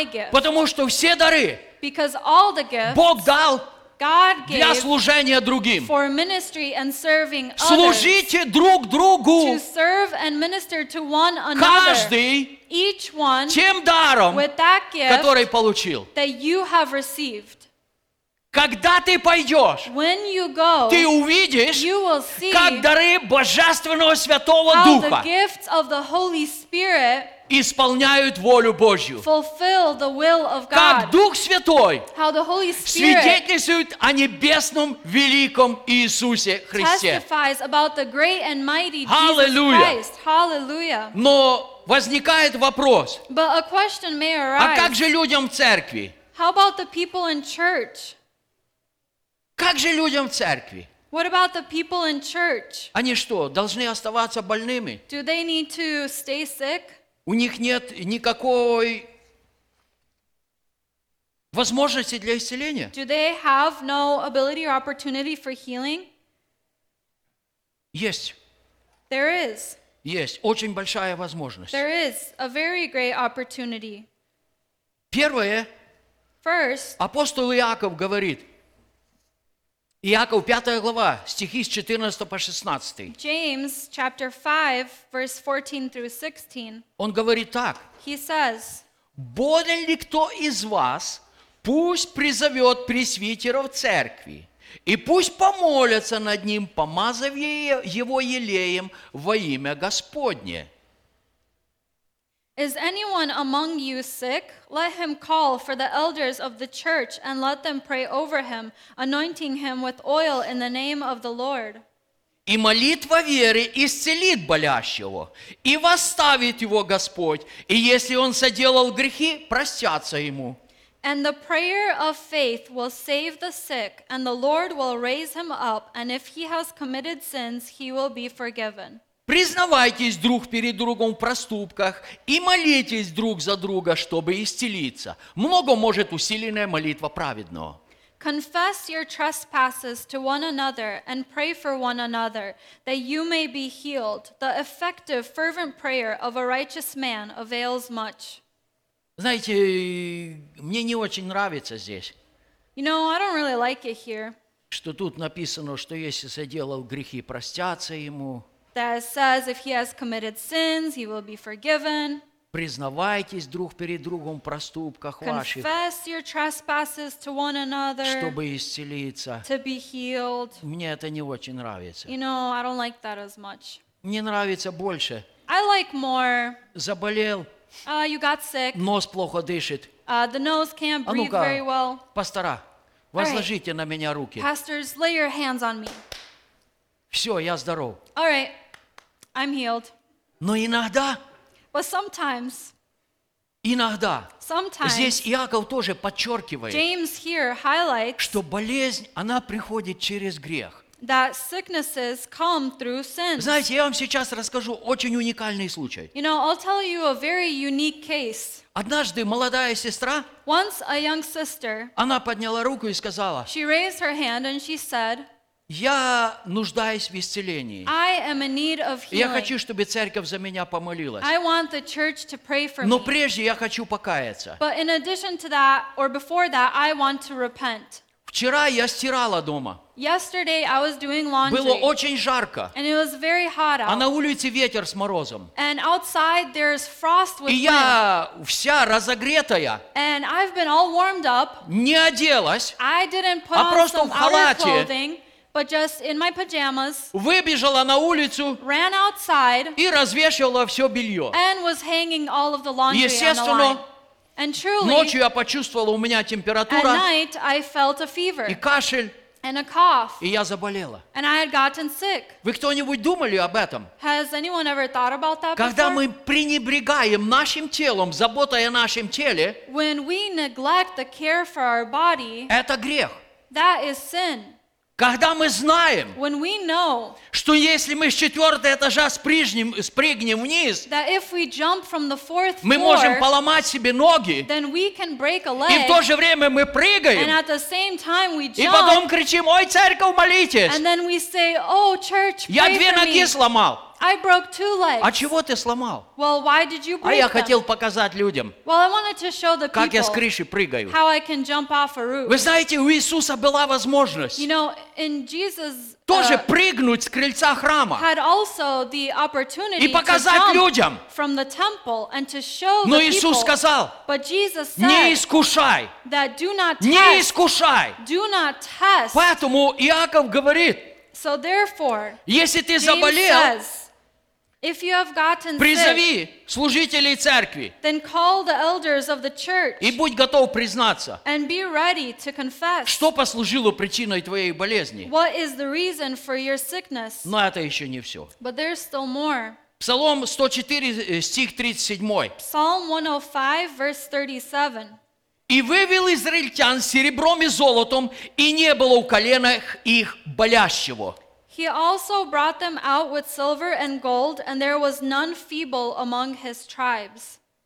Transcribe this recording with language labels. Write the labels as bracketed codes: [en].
[ru] Потому что все дары Бог дал для служения другим. [en] For ministry and serving others. [ru] Служите друг другу. [en] To serve and minister to one another. [ru] Каждый [en] each one [ru] тем даром, [en] with that gift, [ru] который получил. [en] That you have received. [ru] Когда ты пойдешь, [en] when you go, [ru] ты увидишь, [en] you will see, [ru] как дары Божественного Святого Духа [en] how the gifts of the Holy Spirit [ru] исполняют волю Божью. [en] Fulfill the will of God. [ru] Как Дух Святой [en] how the Holy Spirit [ru] свидетельствует о небесном великом Иисусе Христе. [en] Testifies about the great and mighty Jesus Hallelujah. Christ. Hallelujah. [ru] Но возникает вопрос. [en] But a question may arise. [ru] А как же людям в церкви? [en] How about the people in church? [ru] Как же людям в церкви? [en] What about the people in church? [ru] Они что, должны оставаться больными? [en] Do they need to stay sick? [ru] У них нет никакой возможности для исцеления? [en] Do they have no ability or opportunity for healing? [ru] Есть. [en] There is. [ru] Есть. Очень большая возможность. [en] There is a very great opportunity. [ru] Первое. [en] First. [ru] Апостол Иаков говорит. Иаков, 5 глава, стихи с 14 по 16. [en] James, chapter 5, verse 14 through 16. [ru] Он говорит так. [en] He says, [ru] «Болен ли кто из вас, пусть призовет пресвитеров церкви, и пусть помолятся над ним, помазав его елеем во имя Господне». [en] Is anyone among you sick? Let him call for the elders of the church and let them pray over him, anointing him with oil in the name of the Lord. [ru] И молитва веры исцелит болящего, и восставит его Господь, и если он соделал грехи, простятся ему. [en] And the prayer of faith will save the sick, and the Lord will raise him up, and if he has committed sins, he will be forgiven. [ru] Признавайтесь друг перед другом в проступках и молитесь друг за друга, чтобы исцелиться. Много может усиленная молитва праведного. [en] Confess your trespasses to one another and pray for one another that you may be healed. The effective, fervent prayer of a righteous man avails much. [ru] Знаете, мне не очень нравится здесь. [en] You know, I don't really like it here. [ru] Что тут написано, что если соделал грехи, простятся ему. [en] That says if he has committed sins, he will be forgiven. [ru] Признавайтесь друг перед другом в проступках ваших. [en] Confess your trespasses to one another. [ru] Чтобы исцелиться. [en] To be healed. [ru] Мне это не очень нравится. [en] You know, I don't like that as much. [ru] Мне нравится больше. [en] I like more. [ru] Заболел. [en] You got sick. [ru] Нос плохо дышит. [en] The nose can't breathe very well. [ru] Пастора, возложите [en] right. [ru] на меня руки. [en] Pastors, lay your hands on me. [ru] Все, я здоров. [en] All right, I'm healed. [ru] Но иногда. [en] But sometimes. [ru] Иногда. [en] Sometimes. [ru] Здесь Иаков тоже подчеркивает. [en] James here highlights. [ru] Что болезнь, она приходит через грех. [en] That sicknesses come through sin. [ru] Знаете, я вам сейчас расскажу очень уникальный случай. [en] You know, I'll tell you a very unique case. [ru] Однажды молодая сестра. [en] Once a young sister. [ru] Она подняла руку и сказала. [en] She raised her hand and she said. [ru] Я нуждаюсь в исцелении. [en] I am in need of healing. [ru] Я хочу, чтобы церковь за меня помолилась. [en] I want the church to pray for me. [ru] Но прежде я хочу покаяться. [en] But in addition to that, or before that, I want to repent. [ru] Вчера я стирала дома. [en] Yesterday I was doing laundry. [ru] Было очень жарко. [en] And it was very hot out. [ru] А на улице ветер с морозом. [en] And outside there's frost with wind. [ru] И я вся разогретая. [en] And I've been all warmed up. [ru] Не оделась. [en] I didn't put on some outer clothing. But just in my pajamas, [ru] выбежала на улицу, [en] ran outside, [ru] и развешивала все белье. [en] And was hanging all of the laundry [ru] Естественно, [en] on the line. And truly, [ru] ночью я почувствовала, у меня температура, [en] at night I felt a fever, [ru] и кашель, [en] and a cough, [ru] и я заболела. [en] And I had gotten sick. [ru] Вы кто-нибудь думали об этом? [en] Has anyone ever thought about that [ru] Когда [en] before? [ru] Мы пренебрегаем нашим телом, заботой о нашем теле, [en] when we neglect the care for our body, [ru] это грех. [en] That is sin. [ru] Когда мы знаем, [en] when we know, [ru] что если мы с четвертого этажа спрыгнем вниз, [en] that if we jump from the fourth floor, [ru] мы можем поломать себе ноги, [en] then we can break a leg, [ru] и в то же время мы прыгаем, [en] and at the same time we jump, [ru] и потом кричим, «Ой, церковь, молитесь!» [en] And then we say, oh, church, pray [ru] Я две ноги [en] me. [ru] Сломал. [en] I broke two legs. [ru] А чего ты сломал? [en] Well, why did you break [ru] А я [en] them? [ru] Хотел показать людям, [en] well, I wanted to show the people [ru] как я с крыши прыгаю. [en] How I can jump off a roof. [ru] Вы знаете, у Иисуса была возможность [en] you know, in Jesus, [ru] тоже прыгнуть с крыльца храма [en] had also the opportunity [ru] и показать [en] to jump [ru] людям. [en] From the temple and to show [ru] Но [en] the [ru] Иисус [en] people. [ru] Сказал, [en] But Jesus said, [ru] не искушай, [en] that do not test. [ru] Не искушай. [en] Do not test. [ru] Поэтому Иаков говорит, [en] so therefore, [ru] если ты [en] James [ru] заболел, [en] says, If you have gotten sick, [ru] призови служителей церкви, [en] then call the elders of the church, [ru] и будь готов признаться, [en] and be ready to confess, [ru] что послужило причиной твоей болезни. [en] What is the reason for your sickness? [ru] Но это еще не все. [en] But there's still more. [ru] Псалом 104, стих 37. [en] Psalm 105, verse 37. [ru] И вывел израильтян серебром и золотом, и не было в коленах их болящего. [en] He also brought them out with silver and gold, and there was none feeble among his tribes.